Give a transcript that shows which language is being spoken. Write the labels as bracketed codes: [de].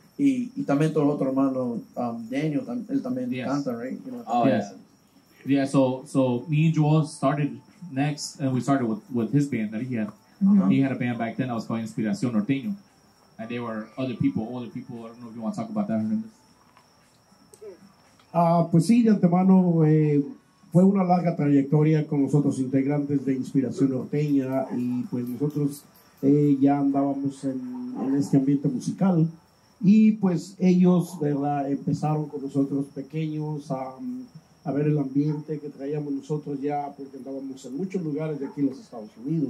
[es] Y también todo el otro hermano, Daniel, él también canta, right? [en] You know, oh, yeah. Yeah, so me and Joel started next, and we started with his band that he had. Uh-huh. He had a band back then that was called Inspiración Norteño. And they were other people, older people. I don't know if you want to talk about that. [es] Pues sí, de antemano, fue una larga trayectoria con los otros integrantes de Inspiración Norteña. Y pues nosotros ya andábamos en este ambiente musical. Y pues ellos, ¿verdad?, empezaron con nosotros pequeños a ver el ambiente que traíamos nosotros ya, porque andábamos en muchos lugares de aquí en los Estados Unidos.